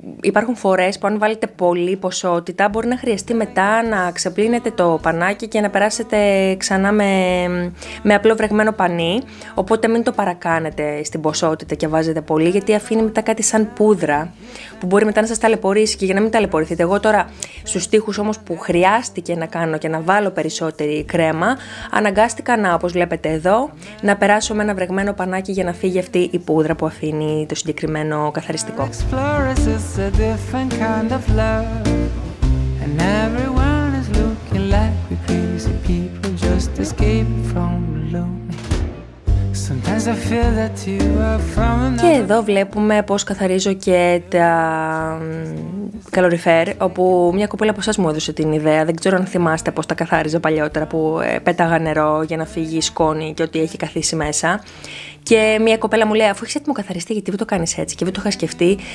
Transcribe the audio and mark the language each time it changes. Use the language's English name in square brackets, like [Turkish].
[Greek] υπάρχουν φορές που αν βάλετε πολλή ποσότητα μπορεί να χρειαστεί μετά να ξεπλύνετε το πανάκι και να περάσετε ξανά με απλό βρεγμένο πανί, οπότε μην το παρακάνετε στην ποσότητα και βάζετε πολύ, γιατί αφήνει μετά κάτι σαν πούδρα που μπορεί μετά να σας ταλαιπωρήσει. Και για να μην ταλαιπωρηθείτε, εγώ τώρα στους τοίχους όμως που χρειάστηκε να κάνω και να βάλω περισσότερη κρέμα, αναγκάστηκα να, όπως βλέπετε εδώ, να περάσω με ένα βρεγμένο πανάκι για να φύγει αυτή η πούδρα που αφήνει το συγκεκριμένο καθαριστικό. [English] It's a different kind of love, and everyone is looking like we're crazy people just escaping from the lonely. Sometimes I feel that you are from another. [Greek] Και εδώ βλέπουμε πως καθαρίζω και τα καλοριφέρ, όπου μια κοπέλα από εσάς μου έδωσε την ιδέα. Δεν ξέρω αν θυμάστε πως τα καθάριζα παλιότερα, που πέταγα νερό για να φύγει η σκόνη και ό,τι έχει καθίσει μέσα. Και μια κοπέλα μου λέει, αφού έχεις έτοιμο καθαριστή, γιατί δεν το κάνεις έτσι? Και δεν το είχα σκεφτεί.